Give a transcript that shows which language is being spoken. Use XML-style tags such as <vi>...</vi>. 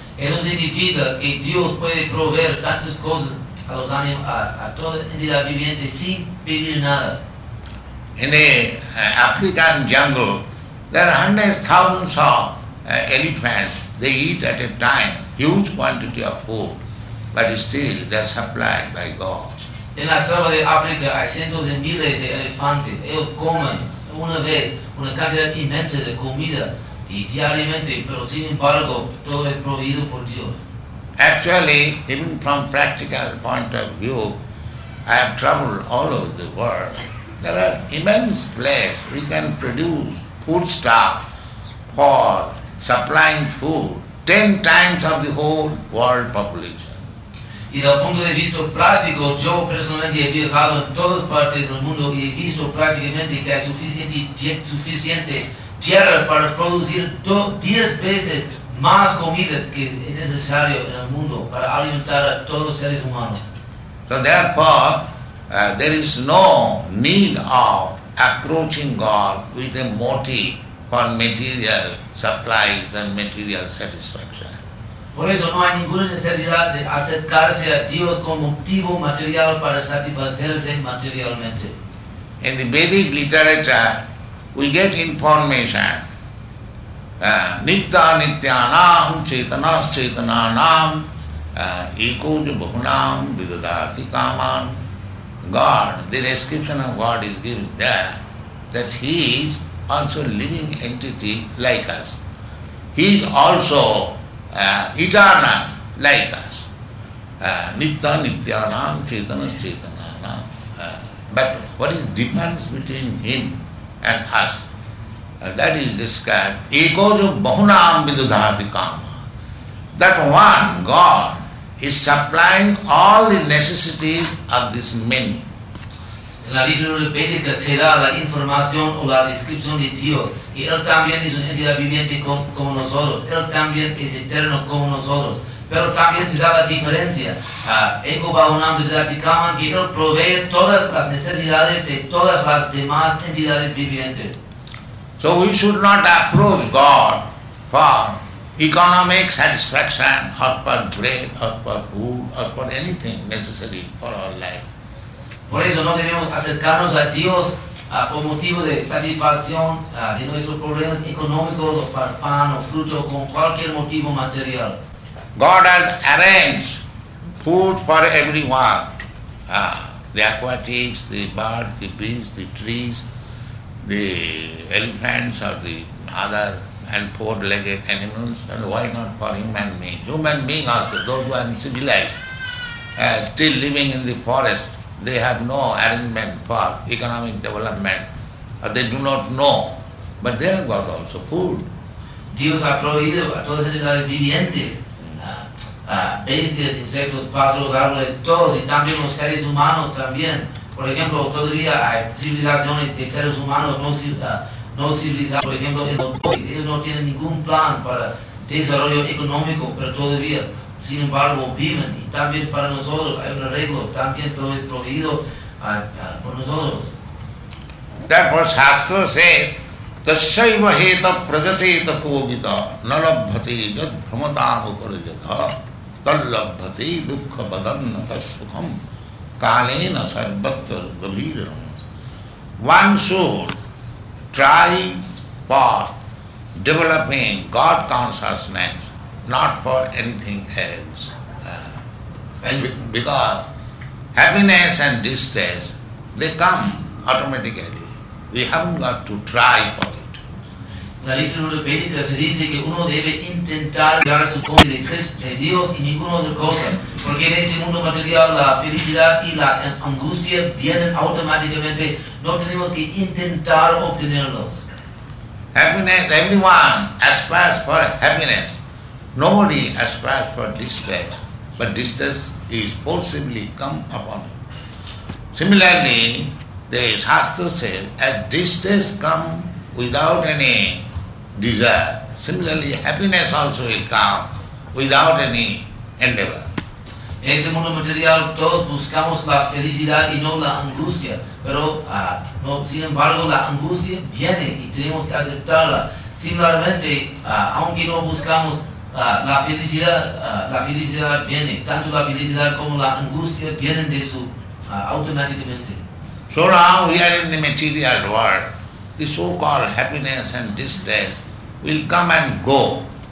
<es>Eso significa que Dios puede proveer tantas cosas a los animales, a toda entidad viviente sin pedir nada.</es> <en>In the African jungle, there are hundreds of thousands of elephants. They eat at a time huge quantity of food, but still they are supplied by God.</en> <es>En la selva de África hay cientos de miles de elefantes. Ellos comen una vez una cantidad inmensa de comida y diariamente, pero sin embargo todo es proveído por Dios.</es> <en>Actually, even from practical point of view, I have traveled all over the world. There are immense places we can produce foodstuff for supplying food 10 times of the whole world population.</en> <es>Y desde el punto de vista práctico, yo personalmente he viajado en todas partes del mundo y he visto prácticamente que hay suficiente tierra para producir 10 veces más comida que es necesario en el mundo para alimentar a todos los seres humanos.</es> <en>So therefore, there is no need of approaching God with a motive for material supplies and material satisfaction.</en> <es>Por eso no hay ninguna necesidad de acercarse a Dios con motivo material para satisfacerse materialmente.</es> <en>In the Vedic literature, we get information.</en> <sa>Nitya nityanam chetanas chetananam ekoj bhunam vidadati kaman.</sa> <en>God, the description of God is given there, that He is also a living entity like us. He is also eternal, like us.</en> <sa>Nitya, nityanam, chetanas, chetananam.</sa> <en>But what is the difference between Him and us? That is described,</en> <sa>ekoj bahunam vidudhati kama.</sa> <en>That one, God, is supplying all the necessities of this many.</en> <es>En la literatura védica se da la información o la descripción de Dios, y Él también es una entidad viviente como nosotros, Él también es eterno como nosotros, pero también se da la diferencia.</es> <sa>Ego Bahunam Vidatikaman,</sa> <es>que Él provee todas las necesidades de todas las demás entidades vivientes.</es> <en>So we should not approach God for economic satisfaction, or for bread, or for food, or for anything necessary for our life.</en> <es>Por eso no debemos acercarnos a Dios por motivo de satisfacción de nuestros problemas económicos, pan o fruto, con cualquier motivo material.</es> <en>God has arranged food for everyone. The aquatics, the birds, the beasts, the trees, the elephants or the other and four-legged animals, and why not for human being? Human being also, those who are civilized, still living in the forest, they have no arrangement for economic development, or they do not know, but they have got also food.</en> <es>Dios ha proveído a todas las entidades vivientes, bestias, insectos, pájaros, árboles, todos, y también los seres humanos también. Por ejemplo, todavía hay civilizaciones de seres humanos no civilizados, por ejemplo, en los bosques. Ellos no tienen ningún plan para desarrollo económico, pero todavía. Sin embargo, viven, y también para nosotros hay un arreglo, también todo es proveído por nosotros.</es> <en>Therefore, Shastra says,</en> <sa>Tashaiva heta prajateta kovita nalabhati jad bhramatamu parajadha tallabhati dukkha badannata sukham kalena sarvatra galiram.</sa> <en>One should try for developing God consciousness, not for anything else. Because happiness and distress, they come automatically. We haven't got to try for it.</en> <es>La letra de Vedica se dice que uno debe intentar llegar a su confianza de Cristo, de Dios y ninguna otra cosa, porque en este mundo material la felicidad y la angustia vienen automáticamente. No tenemos que intentar obtenerlos.</es> <en>Happiness, everyone aspires for happiness. Nobody aspires for distress, but distress is forcibly come upon him. Similarly, the Shastra says, as distress come without any desire, similarly happiness also will come without any endeavor.</en> <es>En este mundo material todos buscamos la felicidad y no la angustia, pero no, sin embargo la angustia viene y tenemos que aceptarla. Similarmente, aunque no buscamos la felicidad viene, tanto la felicidad como la angustia vienen de su automáticamente.</es> <en>So now we are in the material world. The so-called happiness and distress will come and go.</en>